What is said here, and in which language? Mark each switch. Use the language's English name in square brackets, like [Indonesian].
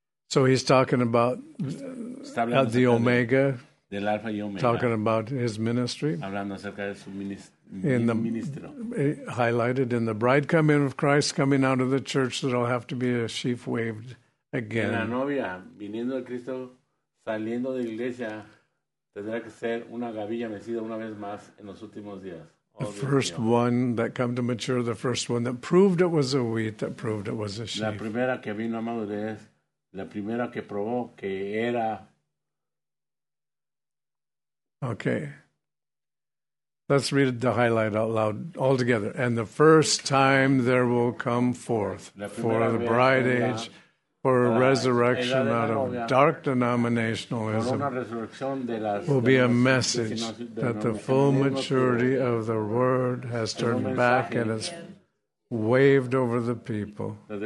[English] So he's talking about the Omega, [Spanish] del Alpha y Omega, [English] talking about his ministry. [Spanish] Hablando acerca de su ministro. [English] Highlighted in the bride coming of Christ, coming out of the church, there'll have to be a sheaf waved again. [Spanish] La novia viniendo de Cristo, saliendo de la iglesia, tendrá que ser una gavilla mecida una vez más en los últimos días. [English] The first one that came to mature, the first one that proved it was a wheat, that proved it was a sheaf. [Spanish] La primera que vino a madurez, la primera que probó que era. [English] Okay. Let's read the highlight out loud all together. And the first time there will come forth for the bright age, for a resurrection out of dark denominationalism will be a message that the full maturity of the word has turned back and has waved over the people.